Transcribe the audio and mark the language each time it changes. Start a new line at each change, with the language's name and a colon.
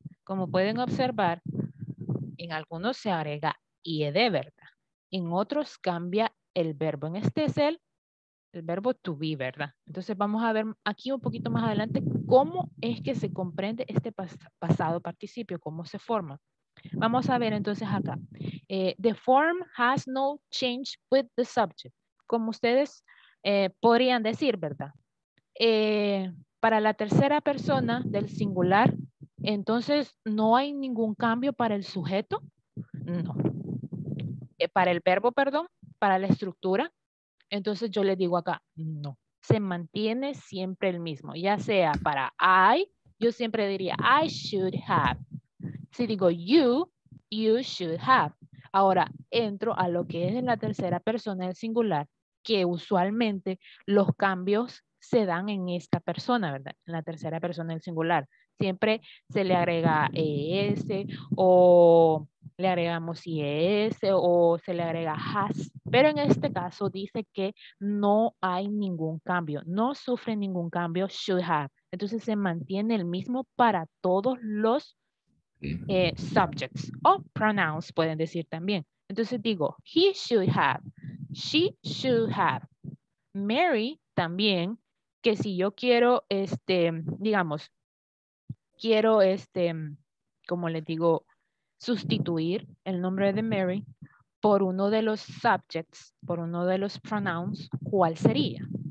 Spanish: Como pueden observar, en algunos se agrega ied, ¿verdad? En otros cambia el verbo. En este es el verbo to be, ¿verdad? Entonces vamos a ver aquí un poquito más adelante cómo es que se comprende este pasado participio, cómo se forma. Vamos a ver entonces acá.
English: The form has no change with the subject.
Spanish: Como ustedes podrían decir, ¿verdad? Para la tercera persona del singular, entonces no hay ningún cambio para el sujeto. No. Para el verbo, perdón, para la estructura. Entonces yo le digo acá, no. Se mantiene siempre el mismo. Ya sea para I, yo siempre diría
English: I should have.
Spanish: Si digo
English: you, you should have.
Spanish: Ahora entro a lo que es en la tercera persona del singular, que usualmente los cambios se dan en esta persona, ¿verdad? En la tercera persona del singular. Siempre se le agrega ES o le agregamos IES o se le agrega HAS. Pero en este caso dice que no hay ningún cambio. No sufre ningún cambio, should have. Entonces se mantiene el mismo para todos los subjects o pronouns, pueden decir también. Entonces digo,
English: he should have, she should have.
Spanish: Mary también, que si yo quiero, digamos, quiero, como les digo, sustituir el nombre de Mary por uno de los subjects, por uno de los pronouns, ¿cuál sería?